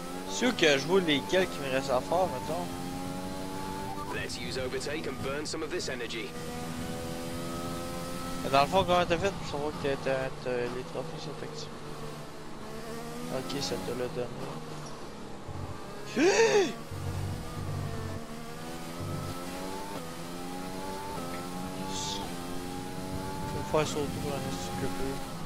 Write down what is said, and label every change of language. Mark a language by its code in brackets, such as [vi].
[fr] C'est sûr que je vois lesquels qui me restent à faire, mettons. [en] Let's use overtake and burn some of this energy. [fr] Mais dans le fond, comment t'as fait pour savoir que t'as les trophées effectifs? Ok, ça te le donne. Faut faire ça autour d'un instructeur.